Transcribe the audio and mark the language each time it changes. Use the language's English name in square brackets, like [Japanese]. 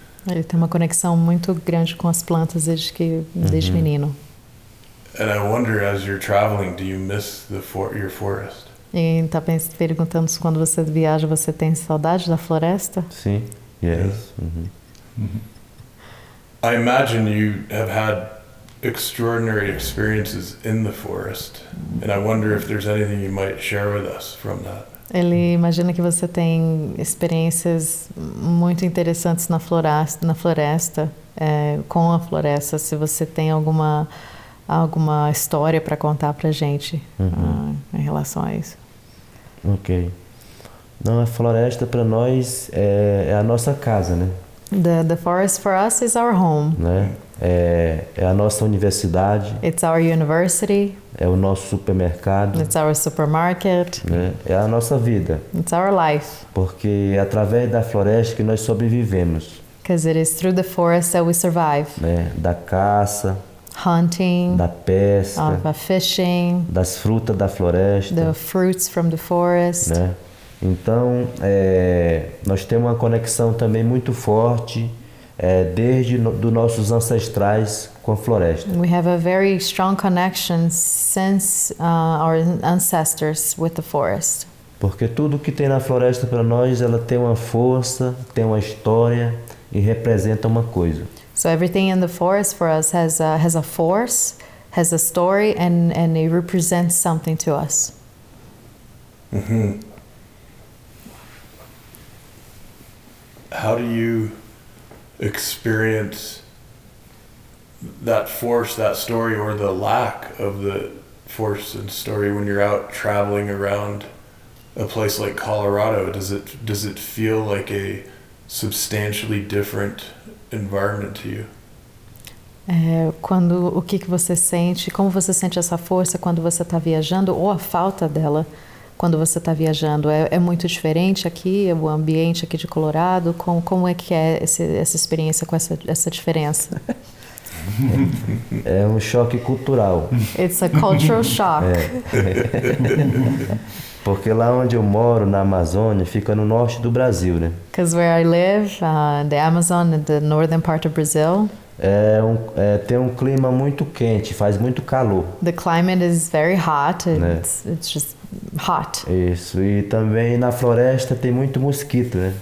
[Portuguese] Ele tem uma conexão muito grande com as plantas desde menino. [English] And I wonder, as you're traveling, do you miss your forest? [Portuguese] E tá perguntando se quando você viaja você tem saudade da floresta? Sim. [English] Yes. I imagine you have had extraordinary experiences in the forest, and I wonder if there's anything you might share with us from that. [Portuguese] Ele imagina que você tem experiências muito interessantes na floresta, com a floresta. Se você tem alguma história para contar para gente, em relação a isso. Ok. Não, a floresta para nós é a nossa casa, né? [English] The forest for us is our home. [Portuguese] Né? É a nossa universidade. [English] It's our university. [Portuguese] É o nosso supermercado. [English] It's our supermarket. [Portuguese] Né? É a nossa vida. [English] It's our life. [Portuguese] Porque é através da floresta que nós sobrevivemos. [English] Because it is through the forest that we survive. [Portuguese] Né? Da caça. [English] Hunting. [Portuguese] Da pesca. [English] Of fishing. [Portuguese] Das frutas da floresta. [English] The fruits from the forest. Né? [Portuguese] Então, nós temos uma conexão também muito forte desde dos nossos ancestrais com a floresta. [English] We have a very strong connection since our ancestors with the forest. [Portuguese] Porque tudo que tem na floresta para nós, ela tem uma força, tem uma história e representa uma coisa. [English] So everything in the forest for us has a force, has a story, and it represents something to us. Mm-hmm. How do you experience that force, that story, or the lack of the force and story when you're out traveling around a place like Colorado? Does it feel like a substantially different environment to you? [Portuguese] Quando o que você sente, como você sente essa força quando você está viajando, ou a falta dela quando você está viajando? É muito diferente aqui, o ambiente aqui de Colorado? Como é que é essa experiência, com essa diferença? É um choque cultural. [English] It's a cultural shock. [Portuguese] Porque lá onde eu moro, na Amazônia, fica no norte do Brasil, né? [English] Because where I live, the Amazon, the northern part of Brazil. [Portuguese] Tem um clima muito quente, faz muito calor. [English] The climate is very hot, [Portuguese] né? [English] It's just hot. [Portuguese] Isso, e também na floresta tem muito mosquito, né?